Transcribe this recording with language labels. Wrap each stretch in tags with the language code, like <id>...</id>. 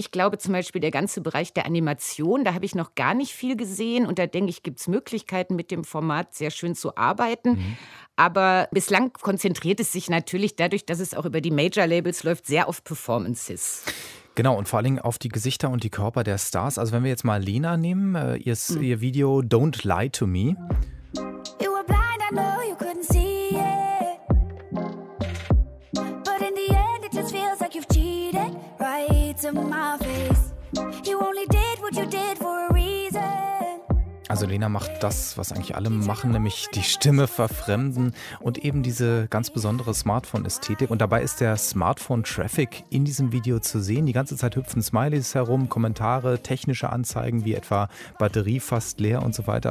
<de>Ich glaube zum Beispiel der ganze Bereich der Animation, da habe ich noch gar nicht viel gesehen und da denke ich, gibt es Möglichkeiten mit dem Format sehr schön zu arbeiten. Aber bislang konzentriert es sich natürlich dadurch, dass es auch über die Major-Labels läuft, sehr auf Performances. Genau, und vor allem auf die Gesichter und die Körper der Stars. Also wenn wir jetzt mal Lena nehmen, ihr Video Don't Lie to Me.</de> <en>You were blind, I know you couldn't see it. But in the end it just feels like you've cheated right to my face. You only did what you did for a reason.</en> <de>Also Lena macht das, was eigentlich alle machen, nämlich die Stimme verfremden und eben diese ganz besondere Smartphone-Ästhetik. Und dabei ist der Smartphone-Traffic in diesem Video zu sehen. Die ganze Zeit hüpfen Smileys herum, Kommentare, technische Anzeigen wie etwa Batterie fast leer und so weiter.</de>